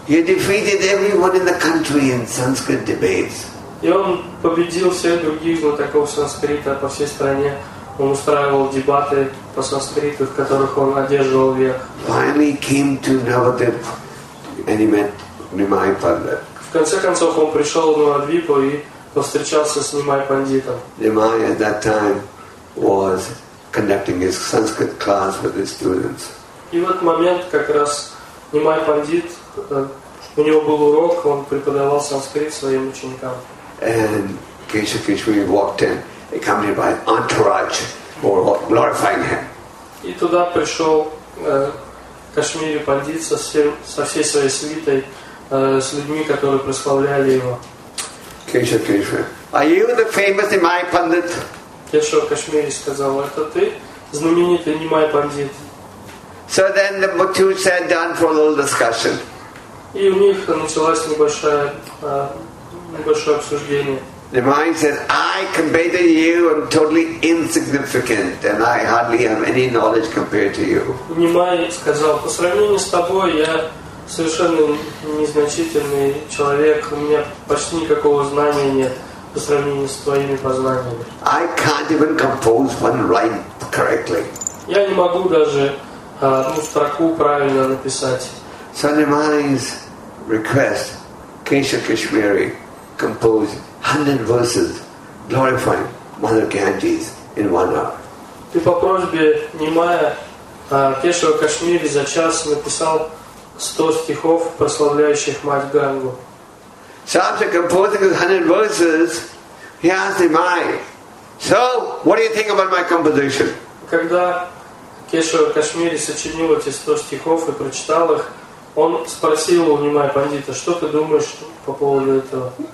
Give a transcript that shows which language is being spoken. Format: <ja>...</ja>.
<en>He defeated everyone in the country in Sanskrit debates.</en> <ru>И он победил всех других знатоков санскрита по всей стране. Он устраивал дебаты по санскриту, в которых он одерживал верх.</ru> <en>Finally came to Navadvip and he met Nimai Pandit.</en> <ru>В конце концов он пришел в Навадвипу и повстречался с Nimai Panditом.</ru> <en>Nimai at that time was conducting his Sanskrit class with his students.</en> <ru>И в этот момент как раз Nimai Pandit, у него был урок, он преподавал санскрит своим ученикам.</ru> <en>And Kesha Kishwini walked in, accompanied by an entourage for glorifying him.</en> <ru>И туда пришел Кашмири Пандит со всей своей свитой, с людьми, которые прославляли его.</ru> <en>Кеша Кришна. Are you the famous Nimai Pandit?</en> <ru>Кеша Кашмири сказал, это ты знаменитый Nimai Pandit.</ru> <en>So then the two sat down for a little discussion.</en> <ru>И у них началось небольшое обсуждение.</ru> <en>Nimai says, I compared to you, I'm totally insignificant, and I hardly have any knowledge compared to you.</en> <ru>Nimai сказал, по сравнению с тобой, я совершенно незначительный человек, у меня почти никакого знания нет по сравнению с твоими познаниями.</ru> <en>I can't even compose one rhyme correctly.</en> <ru>Я не могу даже одну строку правильно написать.</ru> <en>So Nimai's request, Kesha Kashmiri compose 100 verses glorifying Mother Ganges in 1 hour.</en> <ru>Ты по просьбе Nimai Кешава Кашмири за час написал 100 стихов, прославляющих Мать Гангу.</ru> <en>So after composing his 100 verses, he asked Nimai, so, what do you think about my composition?</en> <ru>Когда Кешава Кашмири сочинил эти 100 стихов и прочитал их, он спросил у Nimai Pandita, что ты думаешь по поводу этого?</ru>